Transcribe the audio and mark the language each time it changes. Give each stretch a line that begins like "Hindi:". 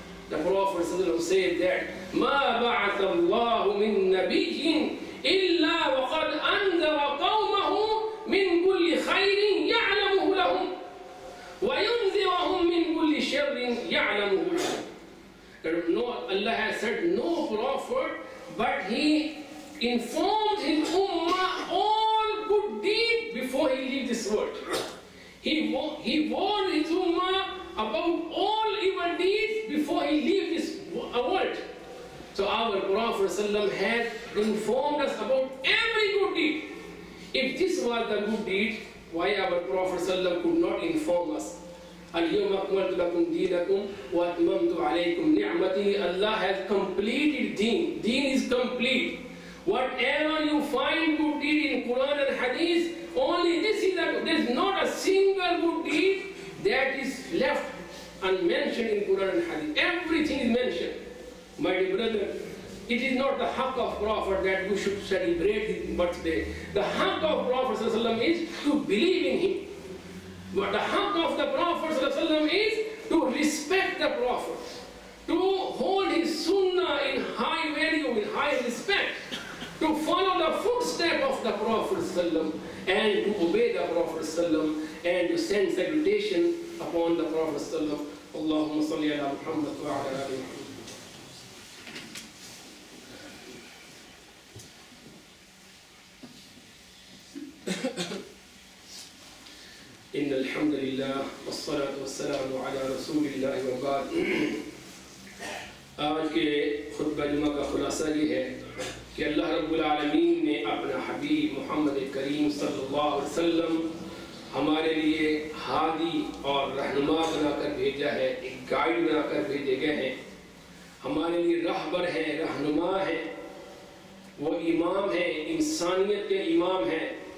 English: The Prophet Sallallahu said that
Arabic: مَا بَعَثَ اللَّهُ مِن نَبِيٍّ إِلَّا وَقَدْ أَنذَرَ قَوْمَهُ مِن كُلِّ خَيْرٍ يَعْلَمُهُ لَهُمْ وَيُنذِرَهُمْ مِن كُلِّ شَرٍّ يَعْلَمُهُ لَهُمْ.
English: No, Allah has said no Prophet, but he informed his Ummah all good deed before he leave this world. He warned his Ummah about all evil deeds before he leave this world. So our Prophet ﷺ has informed us about every good deed. If this was the good deed, why our Prophet ﷺ could not inform us?
Arabic: اليوم أكملت لكم دينكم وأتممت عليكم نعمتي.
English: Allah has completed deen. Deen is complete. Whatever you find good deed in Quran and Hadith, only this is the good. There is not a single good deed that is left unmentioned in Quran and Hadith. Everything is mentioned. My dear brother, it is not the haq of Prophet that we should celebrate his birthday. The haq of Prophet ﷺ is to believe in him. But the haq of the Prophet ﷺ is to respect the Prophet. to hold his sunnah in high value, in high respect, to follow the footsteps of the Prophet ﷺ and to obey the Prophet ﷺ and to send salutation upon the Prophet ﷺ.
Arabic: Allahumma salli ala Muhammad wa ala alihi. إن الحمد لله والصلاة والسلام على رسول الله وبعد.
Urdu: آج کے خطبہ جمعہ کا خلاصہ یہ ہے کہ اللہ رب العالمین نے اپنا حبیب محمد کریم صلی اللہ علیہ وسلم ہمارے لیے ہادی اور رہنما بنا کر بھیجا ہے، ایک گائیڈ بنا کر بھیجے گئے ہیں، ہمارے لیے راہبر ہیں، رہنما ہیں، وہ امام ہیں، انسانیت کے امام ہیں.